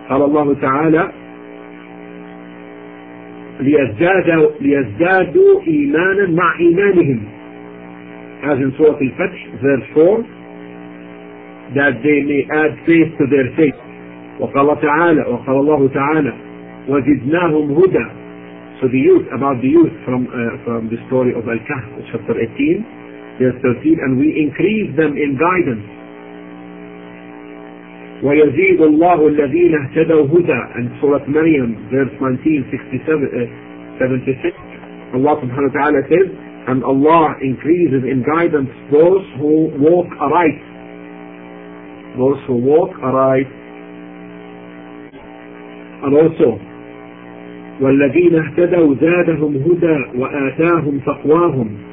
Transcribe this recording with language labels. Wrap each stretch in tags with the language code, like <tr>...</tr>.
<ar>قال الله تعالى, لِيَزْدَادُوا إِيمَانًا مَعْ إِيمَانِهِمْ.</ar> <en>As in Surah Al-Fath, verse 4, that they may add faith to their faith.</en> <ar>وقال الله تعالى وزدناهم هدى.</ar> <en>So the youth, about the youth from the story of Al-Kahf, chapter 18, verse 13, and we increase them in guidance.</en> <ar>ويزيد الله الذين اهتدوا هدى.</ar> <en>And Surah Maryam, verse 19, 76, Allah subhanahu wa ta'ala says, and Allah increases in guidance those who walk aright. And also,</en> <ar>وَالَّذِينَ اهْتَدَوْا زَادَهُمْ هُدَى وَآتَاهُمْ تَقْوَاهُمْ.</ar>